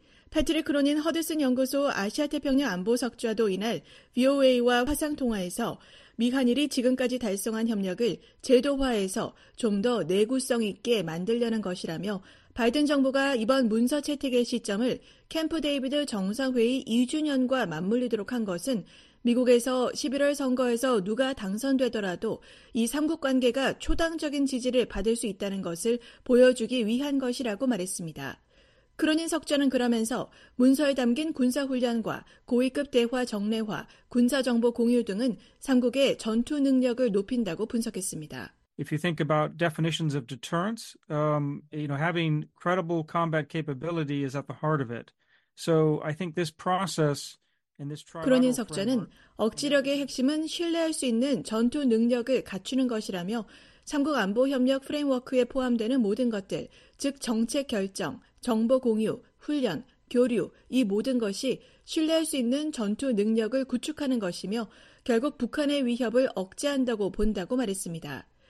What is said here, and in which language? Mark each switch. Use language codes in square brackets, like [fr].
[ko] 패트릭 크로닌 허드슨 연구소 아시아태평양 안보석좌도 이날 VOA와 화상통화에서 미한일이 지금까지 달성한 협력을 제도화해서 좀 더 내구성 있게 만들려는 것이라며 바이든 정부가 이번 문서 채택의 시점을 캠프 데이비드 정상회의 2주년과 맞물리도록 한 것은 미국에서 11월 선거에서 누가 당선되더라도 이 3국 관계가 초당적인 지지를 받을 수 있다는 것을 보여주기 위한 것이라고 말했습니다. 크로닌 석좌는 그러면서 문서에 담긴 군사훈련과 고위급 대화 정례화, 군사정보 공유 등은 3국의 전투 능력을 높인다고 분석했습니다. [en] If you think about definitions of deterrence, you know, having credible combat capability is at the heart of it. So I think this process [ko] 크로닌 석좌는 억지력의 핵심은 신뢰할 수 있는 전투 능력을 갖추는 것이라며 3국 안보협력 프레임워크에 포함되는 모든 것들, 즉 정책 결정, 정보 공유, 훈련, 교류, 이 모든 것이 신뢰할 수 있는 전투 능력을 구축하는 것이며 결국 북한의 위협을 억제한다고 본다고 말했습니다.